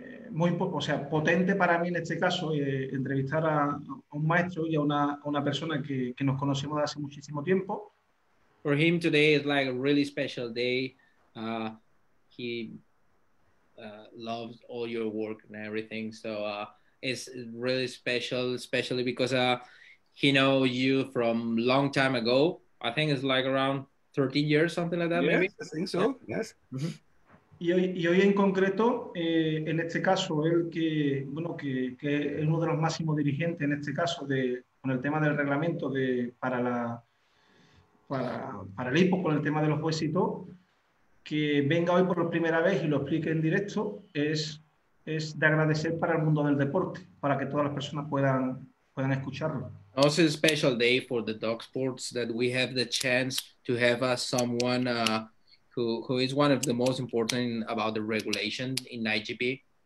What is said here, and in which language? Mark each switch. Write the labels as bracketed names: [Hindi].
[Spanish] Muy, o sea, potente para mí en este caso entrevistar a un maestro y a una persona que nos conocemos de hace muchísimo tiempo. [English] For him today is like a really special day. He loves all your work and everything, so it's really special, especially because he knows you from long time ago. I think it's like around 13 years, something like that. Yes, maybe. I think so. Yeah. Yes. Mm-hmm. [Spanish] Y hoy en concreto, en este caso, él que es uno de los máximos dirigentes en este caso con el tema del reglamento para el hipo, con el tema de los jueces y todo, que venga hoy por primera vez y lo explique en directo, es de agradecer para el mundo del deporte, para que todas las personas puedan escucharlo. [English] Also a special day for the dog sports that we have the chance to have someone who is one of the most important about the regulation in IGP.